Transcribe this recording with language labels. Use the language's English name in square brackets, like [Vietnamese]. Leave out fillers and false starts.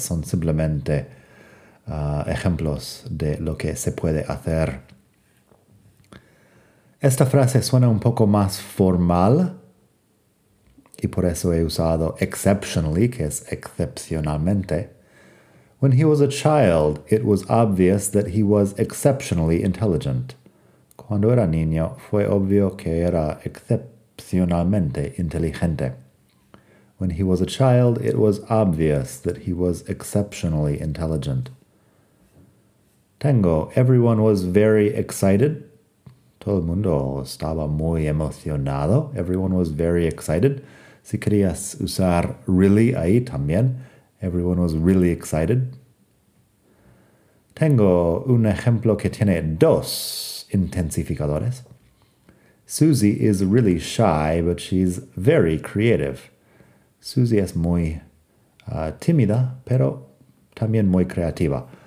[Spanish] Son simplemente ejemplos de lo que se puede hacer. Esta frase suena un poco más formal y por eso he usado exceptionally, que es excepcionalmente. [English] When he was a child, it was obvious that he was exceptionally intelligent. [Spanish] Cuando era niño, fue obvio que era excepcionalmente inteligente. [English] When he was a child, it was obvious that he was exceptionally intelligent. [Spanish] Tengo, [English] everyone was very excited. [Spanish] Todo el mundo estaba muy emocionado. [English] Everyone was very excited. [Spanish] Si querías usar really ahí también, [English] everyone was really excited. [Spanish] Tengo un ejemplo que tiene dos intensificadores. [English] Susie is really shy, but she's very creative. [Spanish] Susie es muy tímida, pero también muy creativa.